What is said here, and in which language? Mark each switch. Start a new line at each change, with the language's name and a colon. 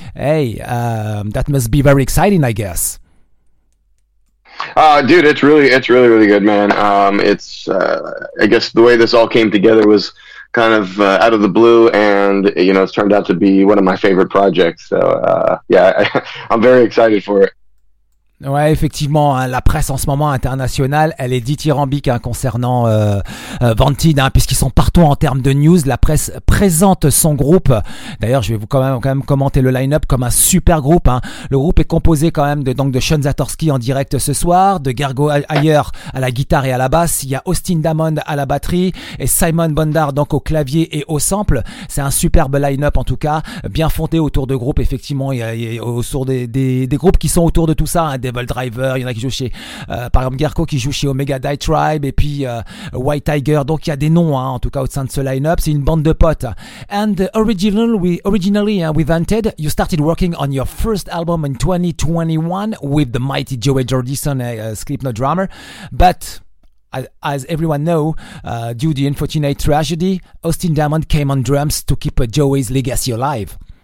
English: Hey, that must be very exciting, I guess. Dude, it's really good, man. I guess the way this all came together was kind of out of the blue, and you know, it's turned out to be one of my favorite projects. So, I'm very excited for it.
French: Ouais, effectivement, hein, la presse en ce moment internationale, elle est dithyrambique, hein, concernant Vantid, hein, puisqu'ils sont partout en termes de news. La presse présente son groupe. D'ailleurs, je vais vous quand même commenter le line-up comme un super groupe. Hein. Le groupe est composé quand même de Sean Zatorski en direct ce soir, de Gergo Ayer à la guitare et à la basse. Il y a Austin Damond à la batterie et Simon Bondar donc au clavier et au sample. C'est un superbe line-up en tout cas, bien fondé autour de groupes. Effectivement, il y a autour des groupes qui sont autour de tout ça. Hein. Devil Driver, il y en a qui jouent chez par exemple Gerko qui joue chez Omega Die Tribe, et puis White Tiger. Donc il y a des noms, hein, en tout cas au sein de ce line-up. C'est une bande de potes.
English: And originally, with Vantid, you started working on your first album in 2021 with the mighty Joey Jordison, Slipknot drummer. But as everyone knows, due to the unfortunate tragedy, Austin Diamond came on drums to keep Joey's legacy alive.